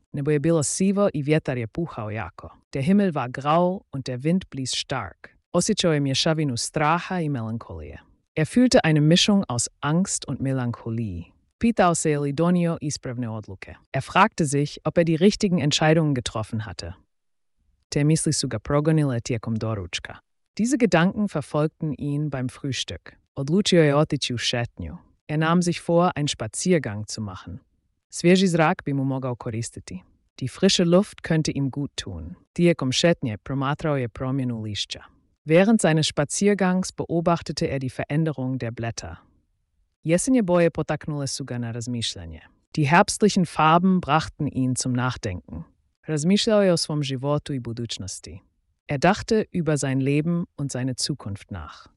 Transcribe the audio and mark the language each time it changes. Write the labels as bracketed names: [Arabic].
[Croatian] nebo je bilo sivo i vjetar je puhao jako. [German] Der Himmel war grau und der Wind blies stark. [Croatian] Osjećao je mješavinu straha i melankolije. [German] Er fühlte eine Mischung aus Angst und Melancholie. [Croatian] Pitao se je li donio ispravne odluke. [German] Er fragte sich, ob er die richtigen Entscheidungen getroffen hatte. [Croatian] Te misli su ga progonile tijekom doručka. [German] Diese Gedanken verfolgten ihn beim Frühstück. [Croatian] Odlučio je otići u šetnju. [German] Er nahm sich vor, einen Spaziergang zu machen. [Croatian] Svježi zrak bi mu mogao koristiti. [German] Die frische Luft könnte ihm gut tun. [Croatian] Tijekom šetnje promatrao je promjenu lišća. [German] Während seines Spaziergangs beobachtete er die Veränderung der Blätter. [Croatian] Jesenje boje potaknule su ga na razmišljanje. [German] Die herbstlichen Farben brachten ihn zum Nachdenken. [Croatian] Razmišljao je o svom životu i budućnosti. [German] Er dachte über sein Leben und seine Zukunft nach.